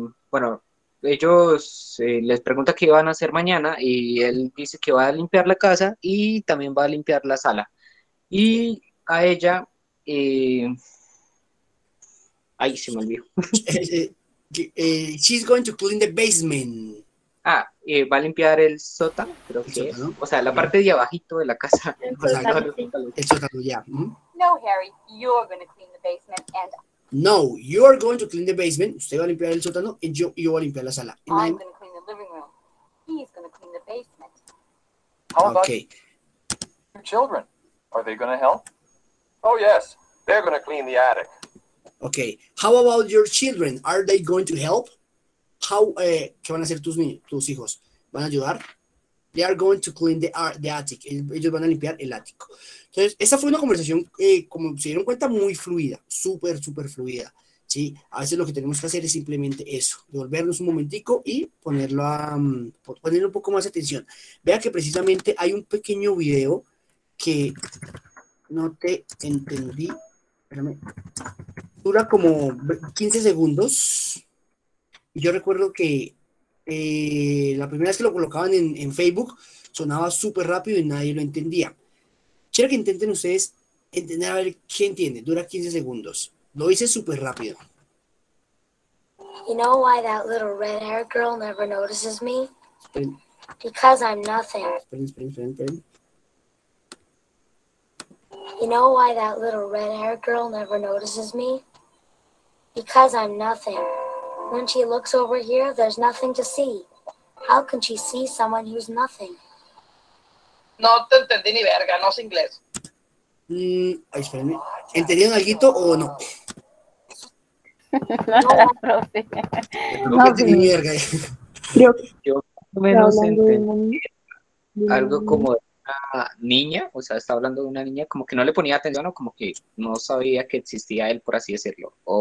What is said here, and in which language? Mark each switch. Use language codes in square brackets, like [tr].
[es] Bueno, ellos les pregunta qué van a hacer mañana, y él dice que va a limpiar la casa y también va a limpiar la sala. Y a ella... ay, se me olvidó. [en] She's going to clean the basement. [es] Ah, va a limpiar el sótano, creo que sótano, ¿no? O sea, la parte de abajito de la casa. El sótano, ya. [en] No, Harry, you're going to clean the basement. And no, you are going to clean the basement. [es] Usted va a limpiar el sótano y yo voy a limpiar la sala. [en] I'm going to clean the living room. He's going to clean the basement. How okay. About your children? Are they going to help? Oh, yes, they're going to clean the attic. Okay. How about your children? Are they going to help? How? [es] ¿Qué van a hacer tus hijos? ¿Van a ayudar? [en] They are going to clean the attic. [es] Ellos van a limpiar el ático. Entonces, esa fue una conversación, como se dieron cuenta, muy fluida. Súper, súper fluida. ¿Sí? A veces lo que tenemos que hacer es simplemente eso. Devolvernos un momentico y ponerle un poco más atención. Vea que precisamente hay un pequeño video que no te entendí. Espérame. Dura como 15 segundos. Yo recuerdo que la primera vez que lo colocaban en Facebook sonaba súper rápido y nadie lo entendía. Quiero que intenten ustedes entender a ver qué entiende. Dura 15 segundos. Lo hice súper rápido. [en] You know why that little red haired girl never notices me? Because I'm nothing. Esperen. You know why that little red haired girl never notices me? Because I'm nothing. When she looks over here, there's nothing to see. How can she see someone who's nothing? [es] No te entendí ni verga, no sé inglés. Ay, espérenme. ¿Entendieron alguito o no? No, profe. No, ni verga. Yo menos entendí algo como de una niña, o sea, está hablando de una niña, como que no le ponía atención, o como que no sabía que existía él, por así decirlo.